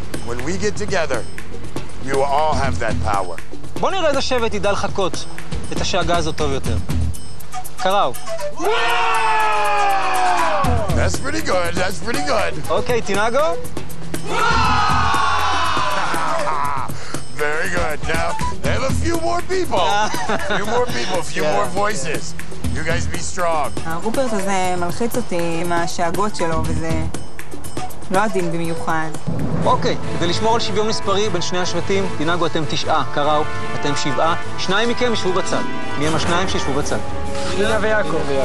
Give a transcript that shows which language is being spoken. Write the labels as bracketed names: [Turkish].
[English] When we get together, you will all have that power. [Hebrew] בוא נראה איזה שבט ידע לחכות את השאגה הזו טוב יותר. קראו. [English] That's pretty good, that's pretty good. [Hebrew] אוקיי, תינגו? [English] Very good. Now, they have a few more people. A few more people, a few more voices. You guys be strong. [Hebrew] הרופרט הזה מלחיץ אותי עם השאגות שלו, וזה לא עדין במיוחד. אוקיי, כדי לשמור על שוויון מספרי בין שני השבטים, תינגו, אתם 9, קראו, אתם 7, שניים מכם ישבו בצד. מי הם השניים שישבו בצד? אינה ויעקב.